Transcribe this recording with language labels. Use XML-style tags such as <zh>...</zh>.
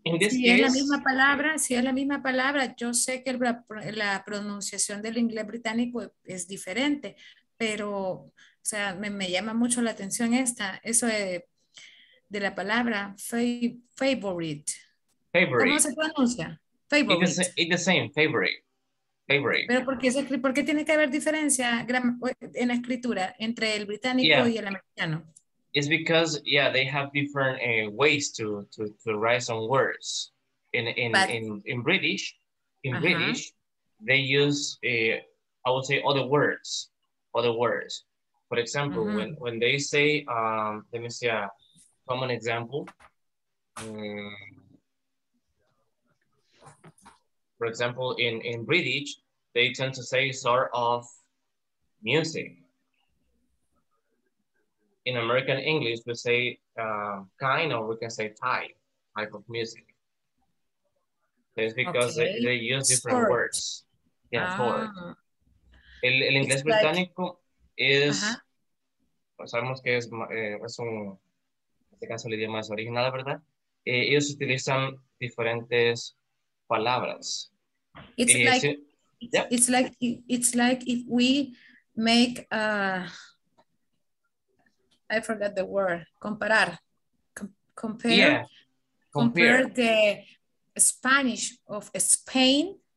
<es>Si es la misma palabra, yo sé que la pronunciación del inglés británico es diferente, pero, o sea, me llama mucho la atención esta. Eso es... de la palabra favorite.</es> <en>Favorite.</en> <es>¿Cómo se pronuncia? Favorite.</es> <en>It's the same, favorite. Favorite. Pero ¿por qué tiene que haber diferencia en la escritura entre el británico y el americano? It's because, they have different ways to write some words. In British, they use, I would say, other words. For example, uh-huh. when they say, let me see, common example. For example, in British, they tend to say sort of music. In American English, we say kind, or we can say type of music. It's because they use different sort. Words. Yeah, sort.</en> <es>El inglés británico is, sabemos que es un... En este caso el idioma es original, ¿verdad? Ellos utilizan diferentes palabras.</es> <en>It's like if we make I forgot the word. Comparar. Compare the Spanish of Spain.</en>